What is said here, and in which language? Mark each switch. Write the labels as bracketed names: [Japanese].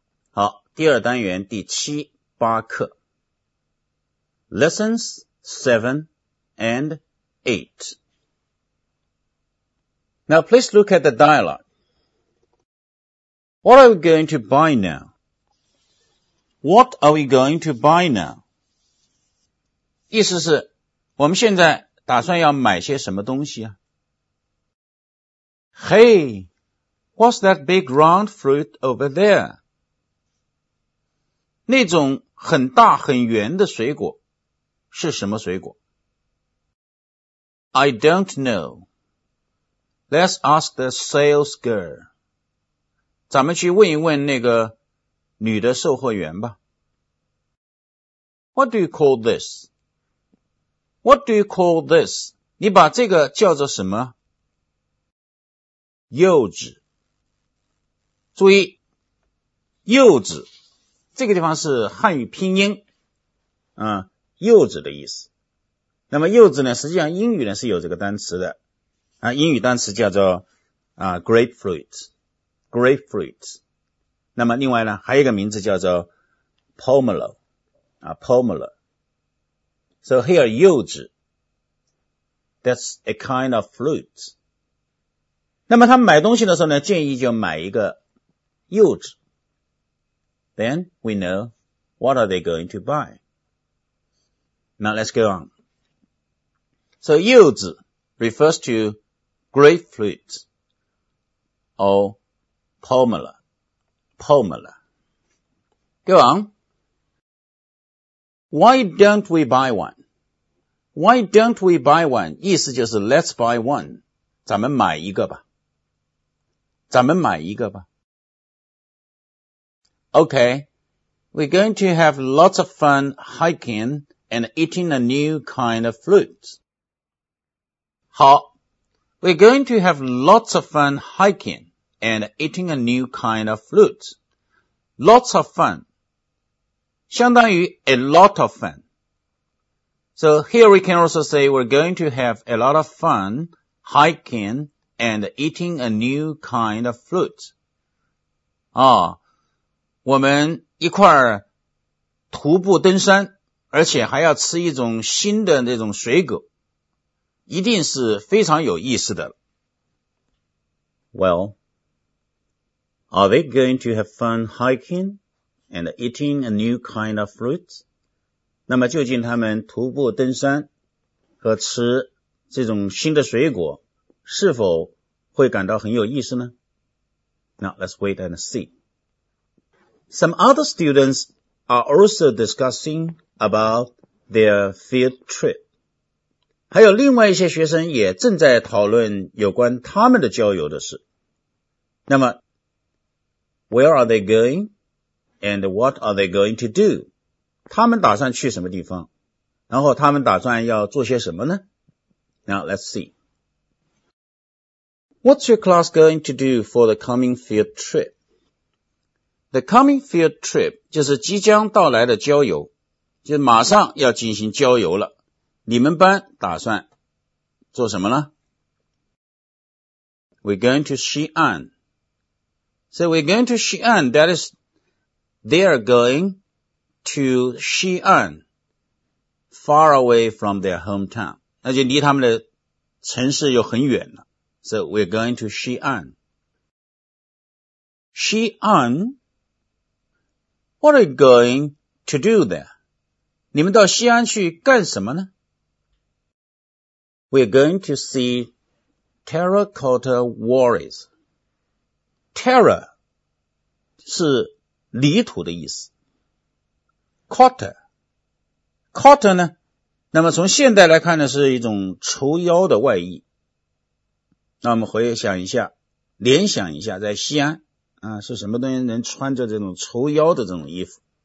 [Chinese] 好，第二单元第七八课。 [English] Lessons 7 and 8. Now please look at the dialogue. What are we going to buy now? What are we going to buy now? [Chinese] 意思是，我们现在打算要买些什么东西啊？ [English] Hey, what's that big round fruit over there? [Chinese] 那种很大很圆的水果是什么水果？ [English] I don't know. Let's ask the sales girl. [Chinese] 咱们去问一问那个女的售货员吧。 [English] What do you call this? What do you call this? [Chinese] 你把这个叫做什么？柚子。注意，柚子，这个地方是汉语拼音，柚子的意思。那么柚子呢，实际上英语呢是有这个单词的，英语单词叫做grapefruit。那么另外呢，还有一个名字叫做 pomelo。 [English] So here, 柚子 That's a kind of fruit. [Chinese] 那么他买东西的时候呢，建议就买一个柚子。 [English] Then we know what are they going to buy. Now let's go on. So 柚子 refers to grapefruit or pomelo. Go on. Why don't we buy one? Why don't we buy one? 意思就是 let's buy one. [Chinese] 咱们买一个吧。咱们买一个吧。 [English] Okay, we're going to have lots of fun hiking and eating a new kind of fruit. 好 ,we're going to have lots of fun hiking and eating a new kind of fruit. Lots of fun. [Chinese] 相当于 [English] a lot of fun. So here we can also say we're going to have a lot of fun hiking and eating a new kind of fruit. [Chinese] 我们一块儿徒步登山，而且还要吃一种新的那种水果，一定是非常有意思的。 [English] Well, are they going to have fun hiking and eating a new kind of fruit? [Chinese] 那么究竟他们徒步登山和吃这种新的水果是否会感到很有意思呢？ [English] Now let's wait and see. Some other students are also discussing about their field trip. [Chinese] 还有另外一些学生也正在讨论有关他们的郊游的事。 [English] 那么 Where are they going? And what are they going to do? [Chinese] 他们打算去什么地方？然后他们打算要做些什么呢？ [English] Now let's see. What's your class going to do for the coming field trip? The coming field trip [Chinese] 就是即将到来的郊游，就是马上要进行郊游了。你们班打算做什么呢？ [English] We're going to Xi'an. So we're going to Xi'an. That is, they are going... To Xi'an, far away from their hometown. [Chinese] 那就离他们的城市又很远了。 [English] So we're going to Xi'an. Xi'an, what are you going to do there? [Chinese] 你们到西安去干什么呢？ [English] We're going to see terracotta warriors. [Chinese] Terra 是泥土的意思。 Cotta 呢，那么从现代来看呢，是一种绸腰的外衣。那我们回想一下，联想一下，在西安是什么东西能穿着这种绸腰的这种衣服？